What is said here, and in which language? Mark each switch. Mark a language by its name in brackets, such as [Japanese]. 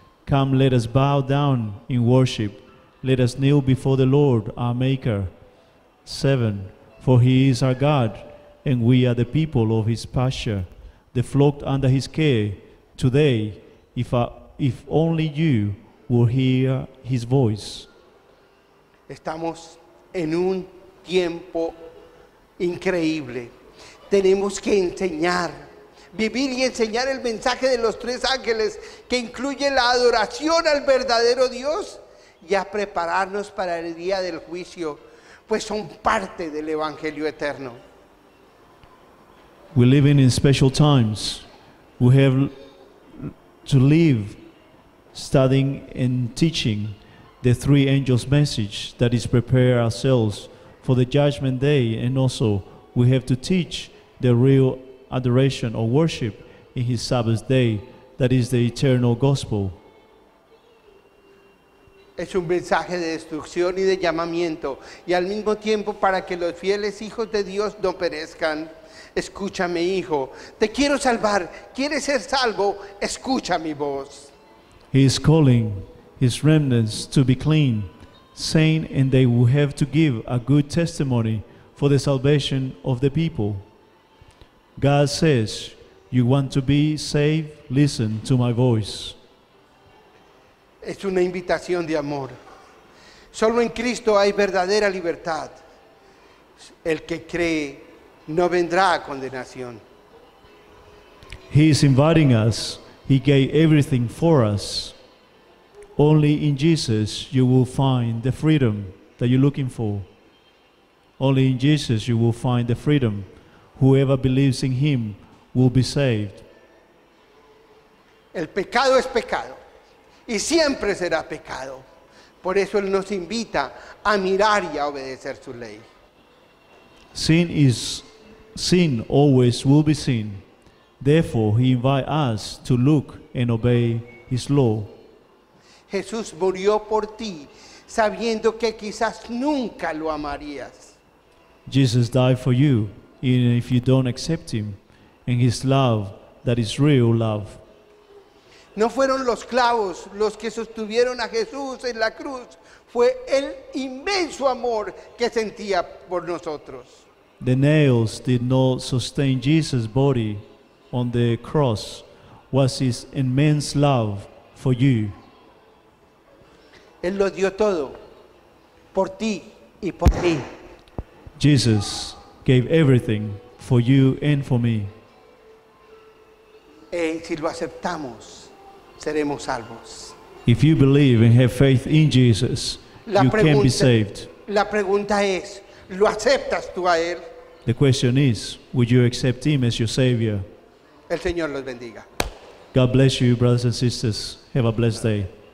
[English] Come, let us bow down in worship. Let us kneel before the Lord, our Maker. 7. For He is our God, and we are the people of His pasture, the flock under His care. Today, if only you will hear His voice. [Spanish] Estamos en un tiempo increíble. Tenemos que enseñar. Vivir y enseñar el mensaje de los tres ángeles, que incluye la adoración al verdadero Dios y a prepararnos para el día del juicio, pues son parte del evangelio eterno. [English] We're living in special times. We have to live studying and teaching the three angels' message that is prepare ourselves for the judgment day, and also we have to teach the real adoration or worship in His Sabbath day, that is the eternal gospel. [Spanish] Es un mensaje de destrucción y de llamamiento, y al mismo tiempo para que los fieles hijos de Dios no perezcan. Escúchame, hijo, te quiero salvar. ¿Quieres ser salvo? Escucha mi voz. [English] He is calling His remnants to be clean, saying, and they will have to give a good testimony for the salvation of the people. God says, you want to be saved? Listen to my voice. [Spanish] Es una invitación de amor. Solo en Cristo hay verdadera libertad. El que cree no vendrá a condenación. [English] He is inviting us. He gave everything for us. Only in Jesus you will find the freedom that you're looking for. Only in Jesus you will find the freedom. Whoever believes in him will be saved. [Spanish] El pecado es pecado y siempre será pecado. Por eso él nos invita a mirar y a obedecer su ley. [English] Sin always will be sin. Therefore he invites us to look and obey his law. [Spanish] Jesús murió por ti sabiendo que quizás nunca lo amarías. [English] Jesus died for you even if you don't accept him and his love that is real love. [Spanish] No fueron los clavos los que sostuvieron a Jesús en la cruz, fue el inmenso amor que sentía por nosotros. [English] The nails did not sustain Jesus' body on the cross, was his immense love for you. [Spanish] Él lo dio todo por ti y por mí. [English] Jesus gave everything for you and for me. [Spanish] Y si lo aceptamos, seremos salvos. [English] If you believe and have faith in Jesus, la you can be saved. [Spanish] La pregunta es, ¿lo aceptas tú a él? [English] The question is, would you accept him as your savior? [Spanish] El Señor los bendiga. [English] God bless you, brothers and sisters. Have a blessed day.